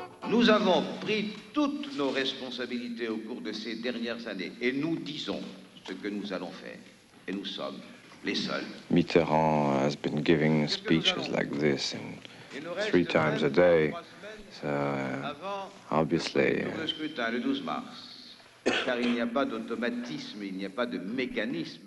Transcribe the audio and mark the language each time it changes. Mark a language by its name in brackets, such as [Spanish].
[French] Nous avons pris toutes nos responsabilités au cours de ces dernières années et nous disons ce que nous allons faire. Et nous sommes les seuls. [English] Mitterrand has been giving speeches like this and 3 times a day. So, obviously. [French] Le scrutin le 12 mars. Car il n'y a pas d'automatisme, il n'y a pas de mécanisme.